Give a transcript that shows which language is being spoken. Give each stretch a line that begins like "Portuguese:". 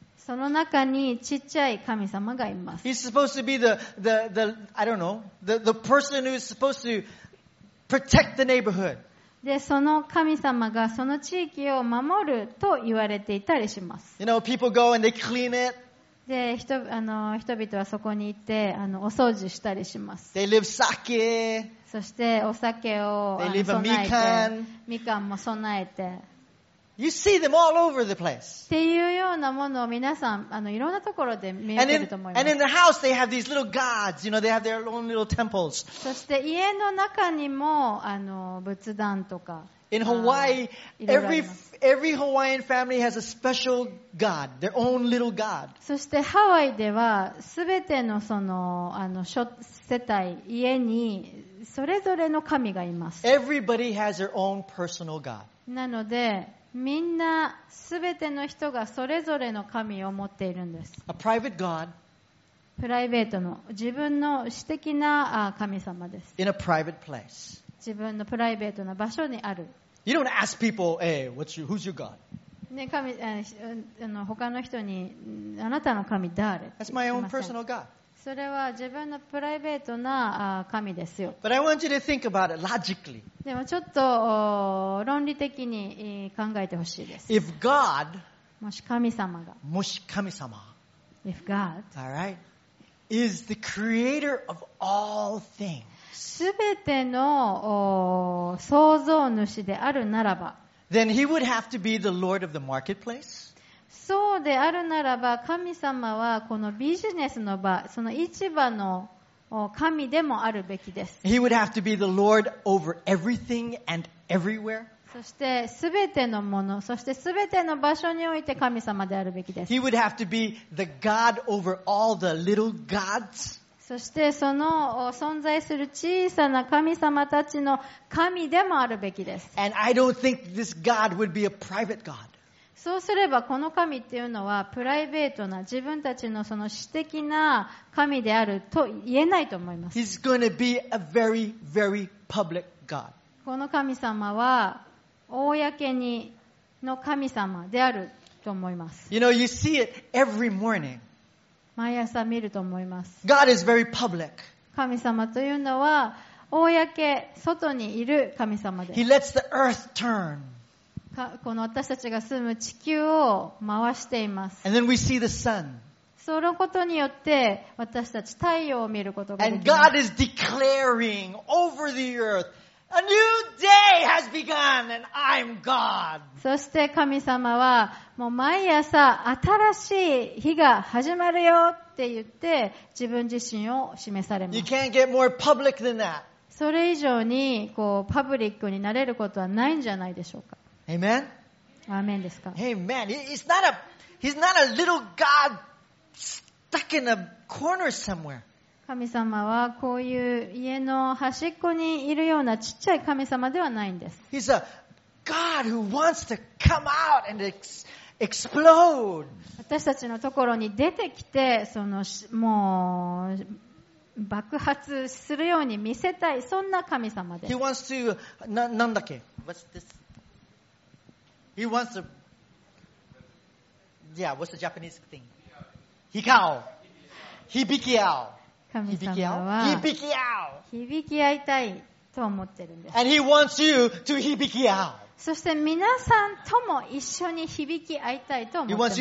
Japanese: その中にちっちゃい神様がいます。
English: He's supposed to be the I don't know the person who is supposed to protect the neighborhood.
Japanese: で、その神様がその地域を守ると言われていたりします。
English: You know, people go and they clean it.
Japanese: で、人々はそこに行ってお掃除したりします。
English: They live sake.
Japanese: そしてお酒を
English: They live a mikan.
Japanese: みかんも備えて。
English: You see them all over the place.
Japanese: っていうようなものを皆さんいろんなところで見えてると思います。
English: And in the house they have these little gods, you know, they have their own little temples.
Japanese: そして家の中にも仏壇とか。
English: In Hawaii, every Hawaiian family has a special god, their own little god.
Japanese: そしてハワイではすべてのその諸世帯家にそれぞれの神がいます。
English: Everybody has their own personal god.
Japanese: なのでみんなすべての人がそれぞれの神を持っているんです。
English: A private God.
Japanese: プライベートの自分の私的な神様です。
English: In a private place.
Japanese: 自分のプライベートな場所にある。
English: You don't ask people, hey, who's your God?
Japanese: ね、他の人にあなたの神誰？
English: That's my own personal God.
Japanese: それは自分のプライベートな神ですよ。
English: But I want you to think about it logically.
Japanese: でもちょっと論理的に考えてほしいです。
English: If God,
Japanese: もし神様が、もし神様、
English: If God, all right, is the creator of all things.
Japanese: すべての創造主であるならば、
English: then he would have to be the lord of the marketplace.
Japanese: そうであるならば神様はこのビジネスの場、その市場の神でもあるべきです。
English: He would have to be the Lord over everything and everywhere.
Japanese: そしてすべてのもの、そしてすべての場所において神様であるべきです。
English: He would have to be the God over all the little gods.
Japanese: そしてその存在する小さな神様たちの神でもあるべきです。
English: And I don't think this God would be a private God.
Japanese: そうすればこの神っていうのはプライベートな自分たちのその私的な神であると言えないと思います。
English: He's going to be a very, very public God.
Japanese: この神様は公にの神様であると思います。
English: You know, you see it every morning.
Japanese: 毎朝見ると思います。
English: God is very public.
Japanese: 神様というのは公、外にいる神様です。
English: He lets the earth turn.
Japanese: この私たちが住む地球を回しています。
English: And then we see the sun.
Japanese: そのことによって私たち太陽を見ることができます。
English: And God is declaring over the earth, a new day has begun and I'm God.
Japanese: そして神様はもう毎朝新しい日が始まるよって言って自分自身を示されます。
English: You can't get more public than that.
Japanese: それ以上にこうパブリックになれることはないんじゃないでしょうか。
English: Amen.
Japanese: Amen. ですか?
English: Amen. He's not a little God stuck in a corner somewhere.
Japanese: 神様はこういう家の端っこにいるようなちっちゃい神様ではないんです。
English: He's a God who wants to come out and explode.
Japanese: 私たちのところに出てきて、そのもう爆発するように見せたい、そんな神様です。
English: He wants to
Japanese: なんだっけ?
English: What's this? He wants to, yeah, what's the Japanese thing?
Japanese: Hikau. Hibikiau. Hibikiau. Hibikiai tai to omotte iru desu.
English: And he wants you to hibikiau.
Japanese: そして皆さんとも一緒に響き合いたいと思ってます。